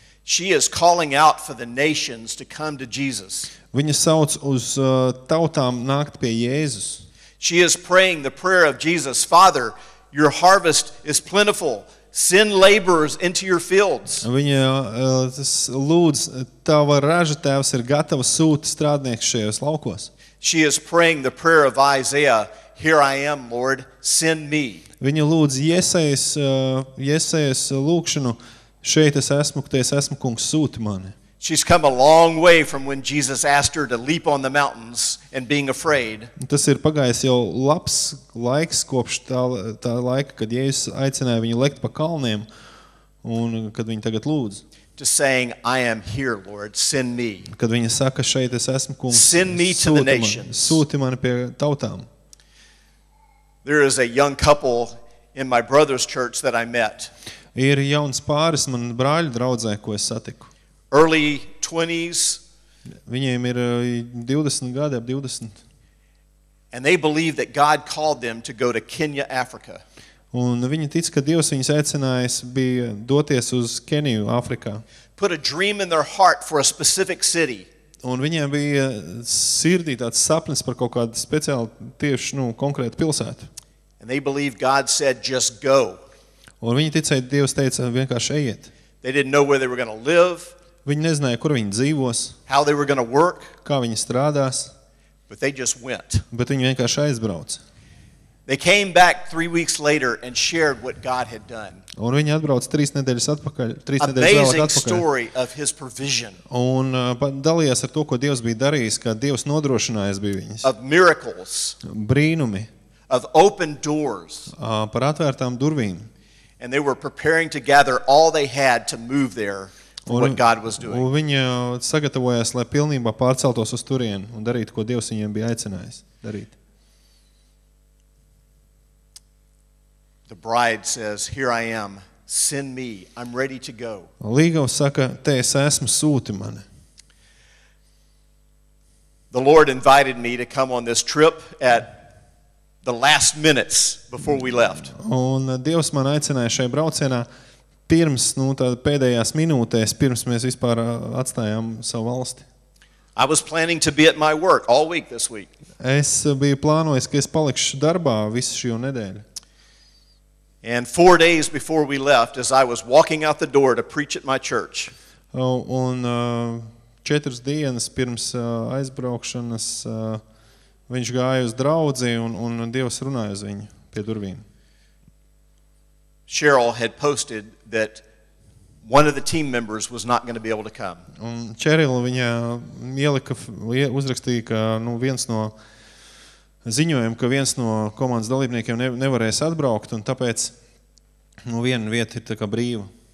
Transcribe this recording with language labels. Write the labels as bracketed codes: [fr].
[en] She is calling out for the nations to come to Jesus. [lv] Viņa sauc uz tautām nākt pie Jēzus. [en] She is praying the prayer of Jesus, Father, your harvest is plentiful. Send laborers into your fields. [lv] Viņa lūdz, tava raža tēvs ir gatava sūt strādnieks šajos laukos. [en] She is praying the prayer of Isaiah, here I am, Lord, send me. [lv] Viņa lūdz Jesajas lūkšanu, šeit es esmu, ka es esmu, kungs, sūti mani. [en] She's come a long way from when Jesus asked her to leap on the mountains and being afraid. [lv] Tas ir pagājis jau labs laiks kopš tā laika, kad Jēzus aicināja viņu lekt pa kalniem un kad viņa tagad lūdz. [en] To saying, I am here, Lord, send me. [lv] Kad viņa saka, šeit es esmu, kungs, [en] send me to the nations. [lv] Sūti mani pie tautām. [en] There is a young couple in my brother's church that I met. [lv] Ir jauns pāris man brāļu draudzē, ko es satiku. [en] Early 20s. [lv] Viņiem ir 20 gadi, ap 20. [en] And they believe that God called them to go to Kenya, Africa. [lv] Un viņi tic, ka Dievs viņus aicinājis bija doties uz Keniju, Afrikā. [en] Put a dream in their heart for a specific city. [lv] Un viņiem bija sirdī tāds sapnis par kaut kādu speciālu, tieši, nu, konkrētu pilsētu. [en] And they believe God said just go. [lv] Un viņi ticēja, Dievs teica vienkārši ejiet. [en] They didn't know where they were going to live. [lv] Viņi nezināja, kur viņi dzīvos, [en] how they were going to work, [lv] kā viņi strādās, [en] but they just went. [lv] Bet viņi vienkārši aizbrauc. [en] They came back 3 weeks later and shared what God had done. [lv] Un viņi atbrauc trīs nedēļas atpakaļ. [en] Amazing story of his provision. [lv] Un dalījās ar to, ko Dievs bija darījis, kā Dievs nodrošinājis bija viņus. [en] Of miracles. [lv] Brīnumi. [en] Of open doors. [lv] Par atvērtām durvīm. [en] And they were preparing to gather all they had to move there. What God was doing. [lv] Un viņa sagatavojās, lai pilnībā pārceltos uz turieni un darītu, ko Dievs viņiem bija aicinājis darīt. [en] The bride says, "Here I am. Send me. I'm ready to go." [lv] Līgava saka, "Te es esmu, sūti mani." [en] The Lord invited me to come on this trip at the last minutes before we left. [lv] Un Dievs man aicināja šai braucienā pirms, nu, tādā pēdējās minūtēs, pirms mēs vispār atstājām savu valsti. [en] I was planning to be at my work all week this week. [lv] Es biju plānojis, ka es palikšu darbā visu šo nedēļu. [en] And 4 days before we left, as I was walking out the door to preach at my church. [lv] Un 4 dienas pirms aizbraukšanas viņš gāja uz draudzi un Dievs runāja uz viņu pie durvīm. [en] Cheryl had posted that one of the team members was not going to be able to come. [lv] Un Cheryl viņa ielika uzrakstīja, ka nu viens no ziņojumu, ka viens no komandas dalībniekiem nevarēs atbraukt un tāpēc nu viena vieta ir tā kā brīva.